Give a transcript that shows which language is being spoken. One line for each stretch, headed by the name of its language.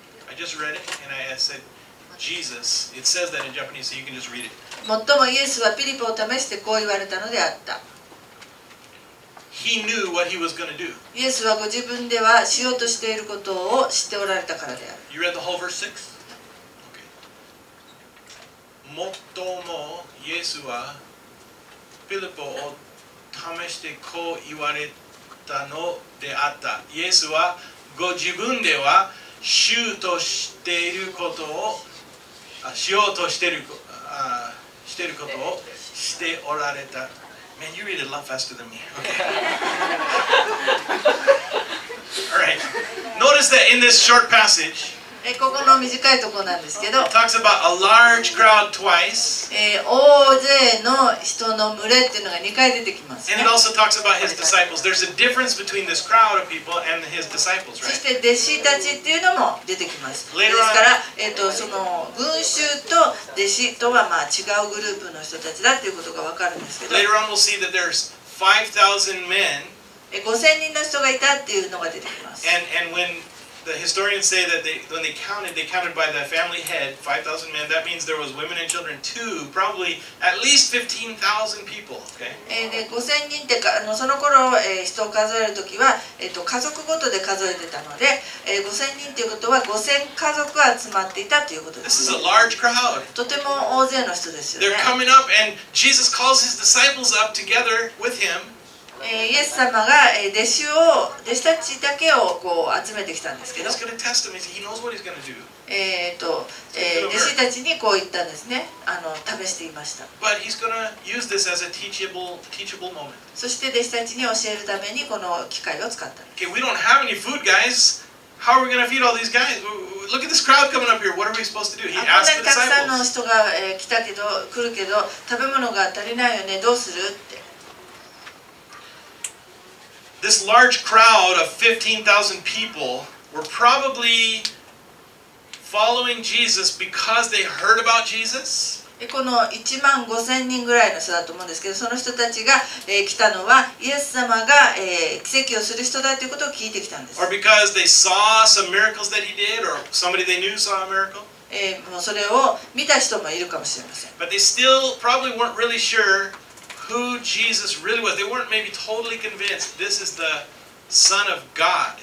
English: I just read it, and I said, Jesus. It says that in Japanese, so you can just read it.
Japanese: もイエスはピリポを試してこう言われたのであった。
English: He knew what he was going to do.
Japanese: イエスはご自分ではしようとしていることを知っておられたからである。
English: You read the whole verse 6? Okay.
Japanese: もっともイエスはフィリポを試してこう言われたのであった。イエスはご自分ではしようとしていることをしておられた。
English: Man, you read it a lot faster than me. Okay. All right. Notice that in this short passage,
Japanese: ここの短いところなんですけど、
English: talks about a large crowd twice,
Japanese: 大勢の人の群れっていうのが2回出てきますね。
English: And it also talks about his disciples. There's a difference between this crowd of people and his disciples, right?
Japanese: そして弟子たちっていうのも出てきます。
English: Later on,
Japanese: ですから、その群衆と弟子とはまあ違うグループの人たちだっていうことが分かるんですけど、
English: Later on, we'll see that there's 5,000 men,
Japanese: 5,000 人の人がいたっていうのが出てきます。
English: And whenThe historians say that when they counted by the family head, 5,000 men, that means there was women and children too, probably at least 15,000 people, okay?
Japanese: で、5,000 人ってか、その頃、人を数えるときは、家族ごとで数えてたので、5,000 人ということは5,000家族集まっていたということです。
English: This is a large crowd.
Japanese: とても大勢の人ですよね。
English: They're coming up and Jesus calls his disciples up together with him.
Japanese: イエス様が弟子たちだけをこう集めてきたんですけど、弟子たちにこう言ったんですね。試していました。そして弟子たちに教えるためにこの機会を使ったんです。
English: Okay, we don't have any food, guys. How are we going to feed all these guys? Look at this crowd coming up here. What are we supposed to do? He asked the disciples.
Japanese: たくさんの人が来たけど来るけど食べ物が足りないよね。どうする？
English: This large crowd of 15,000 people were probably following Jesus because they heard about Jesus.
Japanese: この1万5千人ぐらいの人だと思うんですけど、その人たちが来たのはイエス様が奇跡をする人だということを聞いてきたんです。
English: Or because they saw some miracles that he did, or somebody they knew saw a miracle.
Japanese: もうそれを見た人もいるかもしれません。
English: But they still probably weren't really sure. Who Jesus really was. They weren't maybe totally convinced this is the Son of God.